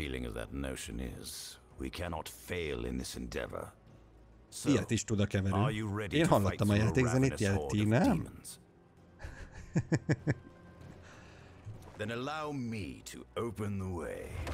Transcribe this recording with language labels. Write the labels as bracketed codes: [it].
[en] Feeling of that notion is, we cannot fail in this endeavor. [hu] So, ilyet is tud a keverő. Are you ready én hallottam a játékzenét, jelenti, nem? [en] Then allow me to open the way.